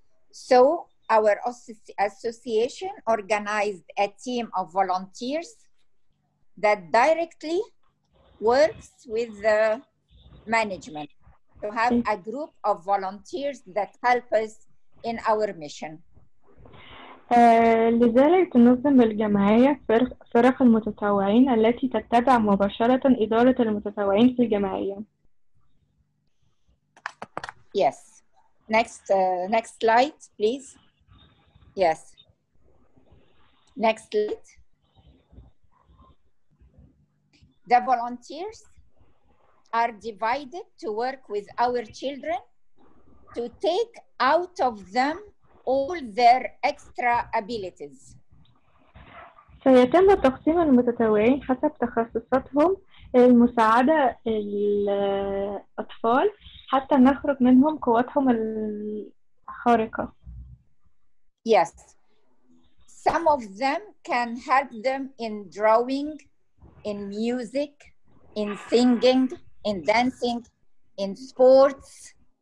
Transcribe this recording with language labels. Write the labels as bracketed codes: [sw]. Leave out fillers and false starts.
[en] So our association organized a team of volunteers that directly works with the management to have a group of volunteers that help us in our mission. [ar] لذلك تنظم الجمعية فرق المتطوعين التي تتبع مباشرة إدارة المتطوعين في الجمعية. [en] Yes. Next slide, please. Yes. Next slide. The volunteers are divided to work with our children to take out of them all their extra abilities. [ar] سيتم تقسيم المتطوعين حسب تخصصاتهم المساعدة الأطفال حتى نخرج منهم قوتهم الخارقة. [en] Yes. Some of them can help them in drawing, in music, in singing, in dancing, in sports.